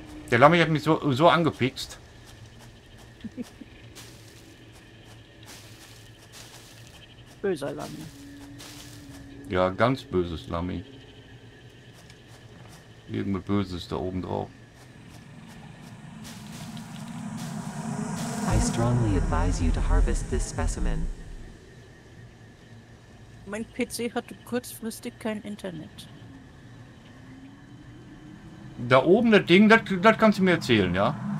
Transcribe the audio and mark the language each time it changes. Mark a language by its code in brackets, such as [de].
[de] Der Lami hat mich so angefixt. Böser Lami. Ja, ganz böses Lami. Irgendwas Böses da oben drauf. [en] I strongly advise you to harvest this specimen. [de] Mein PC hatte kurzfristig kein Internet. Da oben das Ding, das kannst du mir erzählen, ja?